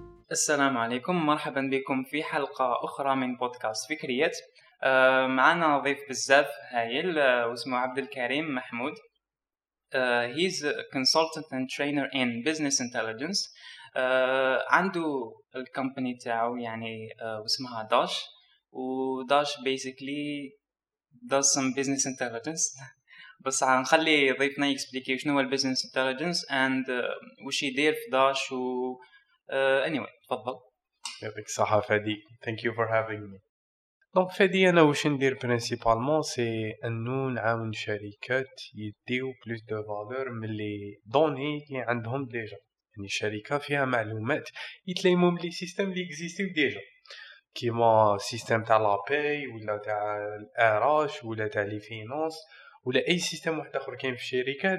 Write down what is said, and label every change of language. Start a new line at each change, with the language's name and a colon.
Arabic: السلام عليكم، مرحبا بكم في حلقة أخرى من بودكاست فكريات. معنا ضيف بزاف هايل واسمه عبد الكريم محمود.
English: He's a consultant and trainer in business intelligence.
Arabic: عنده الكمباني تاعو يعني واسمها داش، وداش
English: basically does some business intelligence.
Arabic: بس هنخلي ضيفنا يكسبليكي شنو هو البيزنس انتليجنس اند وش يدير في داش و anyway تفضل. يعطيك الصحة
English: فادي، thank you for having me.
Arabic: دونك فادي، انا واش ندير برينسيبالمون سي انو نعاون شركات يديو بلوس دو فالور من لي دوني اللي عندهم ديجا. يعني شركة فيها معلومات يتلايمو من لي سيستم اللي اكزيستيو ديجا، كيما سيستم تاع لاباي ولا تاع الاراش ولا تاع لي فينونس ولا اي سيستم واحد اخر كاين في الشركه.